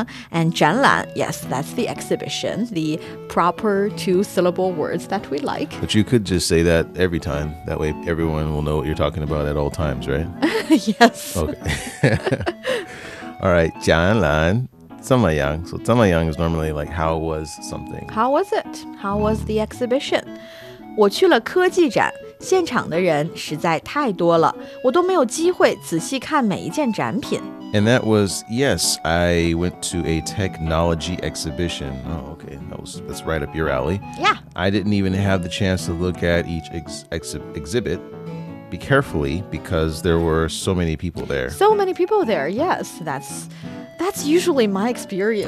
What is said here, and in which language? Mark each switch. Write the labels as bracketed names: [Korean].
[English] And 展览, yes, that's the exhibition, the proper two-syllable words that we like. But you could just say that every time. That way everyone will know what you're talking about at all times, right? Yes. Okay. All right, [Chinese] 展览, 怎么样? [English] So 怎么样 is normally like how was something. How was it? How was the exhibition? [Chinese] 我去了科技展,现场的人实在太多了,我都没有机会仔细看每一件展品。 [English] And that was, yes, I went to a technology exhibition. Oh, okay, that's right up your alley. Yeah. I didn't even have the chance to look at each exhibit. Be carefully, because there were so many people there. So many people there, yes. That's usually my experience,